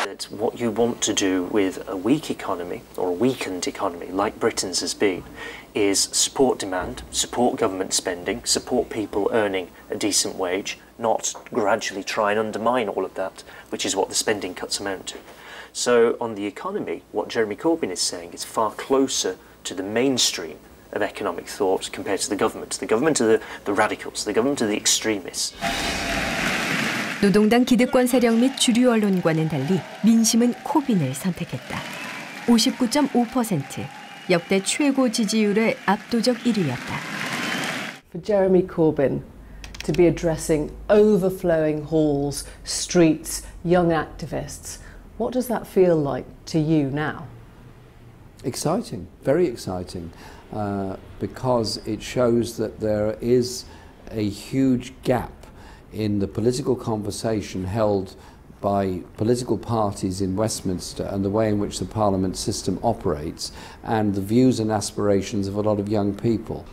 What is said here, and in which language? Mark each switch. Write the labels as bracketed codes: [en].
[en] What you want to do with a weak economy or a weakened economy like Britain's has been is support demand, support government spending, support people earning a decent wage, not gradually try and undermine all of that, which is what the spending cuts amount to. So on the economy, what Jeremy Corbyn is saying is far closer to the mainstream of economic thought compared to the government. The government are the radicals, the government are the extremists. [ko] 노동당 기득권 세력 및 주류 언론과는 달리 민심은 코빈을 선택했다. 59.5%, 역대 최고 지지율의 압도적 1위였다. [en] For Jeremy Corbyn to be addressing overflowing halls, streets, young activists, what does that feel like to you now? Exciting, very exciting, because it shows that there is a huge gap in the political conversation held by political parties in Westminster and the way in which the parliament system operates and the views and aspirations of a lot of young people.